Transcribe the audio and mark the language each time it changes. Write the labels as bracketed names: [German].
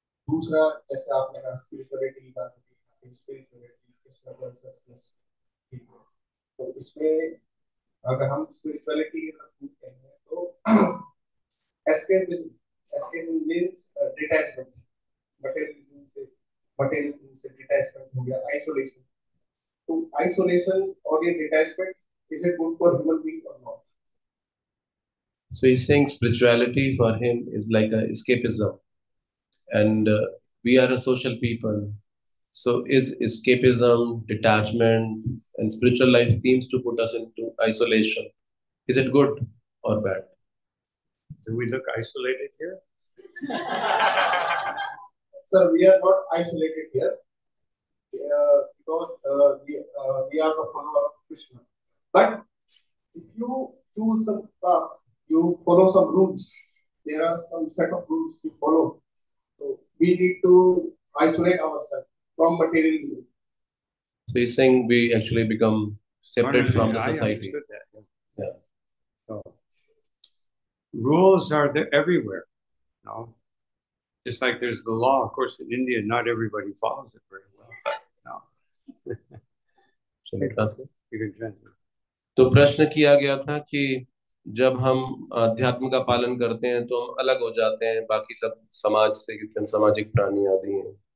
[Hindi] दूसरा ऐसे आपने कहा स्पिरिचुअलिटी की बात की स्पिरिचुअलिटी कृष्णा कॉन्शियसनेस की तो इसमें अगर हम स्पिरिचुअलिटी की बात करते हैं तो [English] escapism means detachment [Hindi] मटेरियलिज्म से मटेरियलिज्म से डिटैचमेंट हो गया आइसोलेशन तो आइसोलेशन और ये detachment [English] is it good for human being [Hindi] और not [English] So he saying spirituality for him is like a escapism And we are a social people. So is escapism, detachment, and spiritual life seems to put us into isolation. Is it good or bad? Do we look isolated here? Sir, we are not isolated here. Because we are the follower of Krishna. But if you choose some path, you follow some rules. There are some set of rules to follow. We need to isolate ourselves from materialism. So you're saying we actually become separate from the society. I understood that. Yeah. So rules are there everywhere. No, just like there's the law. Of course, in India, not everybody follows it very well. No. Okay. You can translate. [Hindi] तो प्रश्न किया गया था कि जब हम अध्यात्म का पालन करते हैं तो हम अलग हो जाते हैं बाकी सब समाज से क्योंकि हम सामाजिक प्राणी आदि हैं